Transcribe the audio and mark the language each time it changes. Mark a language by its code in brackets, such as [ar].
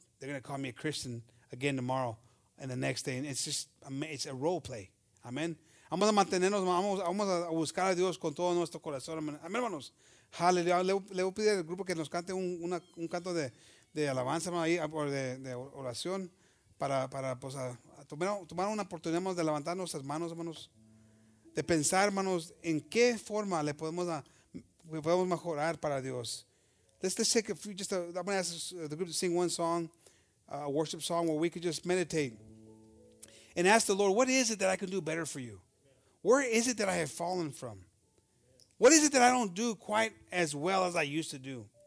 [en] They're gonna call me a Christian again tomorrow and the next day, and it's a role play. Amen. [es] Vamos a mantenernos, vamos a buscar a Dios con todo nuestro corazón. Amén, hermanos. Hallelujah. Le voy a pedir al grupo que nos cante un canto de alabanza, hermano, ahí, o de oración para pues, tomar una oportunidad, hermanos, de levantar nuestras manos, hermanos, de pensar, hermanos, en qué forma le podemos mejorar para Dios. [en] Let's take a few, I'm going to ask the group to sing one song, a worship song, where we could just meditate and ask the Lord, what is it that I can do better for you? Where is it that I have fallen from? What is it that I don't do quite as well as I used to do?